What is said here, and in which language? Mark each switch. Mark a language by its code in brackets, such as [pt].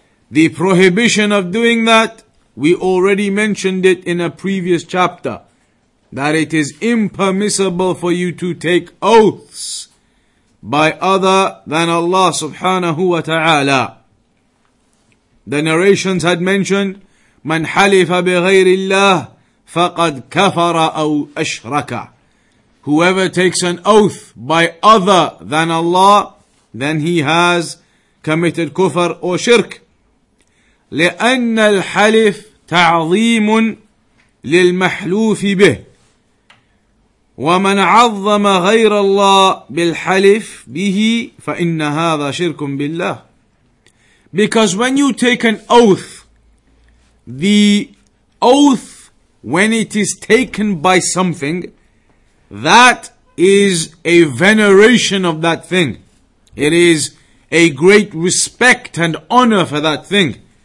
[en] The prohibition of doing that, we already mentioned it in a previous chapter, that it is impermissible for you to take oaths by other than Allah subhanahu wa ta'ala. The narrations had mentioned, [ar] من حلف بغير الله فقد كفر أو أشرك. [en] Whoever takes an oath by other than Allah, then he has committed kufr or shirk. [ar] لأن الحلف تعظيم للمحلوف به ومن عظم غير الله بالحلف به فإن هذا شرك بالله. [en] Because when you take an oath, the oath when it is taken by something, that is a veneration of that thing. It is a great respect and honor for that thing.